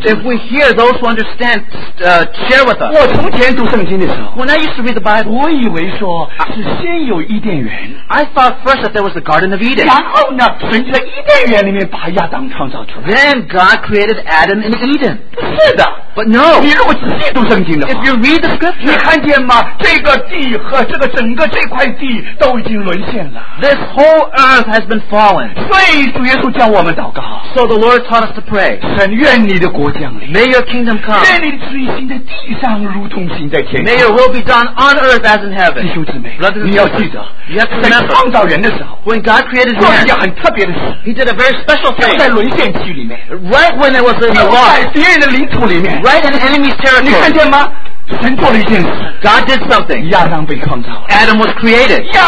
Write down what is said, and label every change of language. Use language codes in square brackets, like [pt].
[en] If we hear those who understand, share with us. [zh] 我从前读圣经的时候， [en] When I used to read the Bible, [zh] 我以为说是先有伊甸园。 [en] I thought first that there was the Garden of Eden. [zh] 然后呢，神就在伊甸园里面把亚当创造。 [en] Then God created Adam in Eden. [zh] 不是的, [en] but no. [zh] 你如果仔细读圣经的话, [en] if you read the scripture, [zh] 你看见吗? 这个地和这个整个这块地都已经沦陷了。 [en] This whole earth has been fallen. [zh] 所以主耶稣叫我们祷告。 [en] So the Lord taught us to pray. [zh] 神愿你的国降临。 [en] May your kingdom come. [zh] 愿你的旨意行在地上如同行在天上。 [en] May your will be done on earth as in heaven. [zh] 弟兄姊妹, [en] brothers and sisters, [zh] 你要记得, [en] you have to remember, [zh] 创造人的时候, [en] when God created man, [zh] 做了一件很特别的事, [en] he did a very special thing. Right when it was in the wrong, right in the enemy's territory. [zh] 你看见吗? [en] God did something. Adam was created.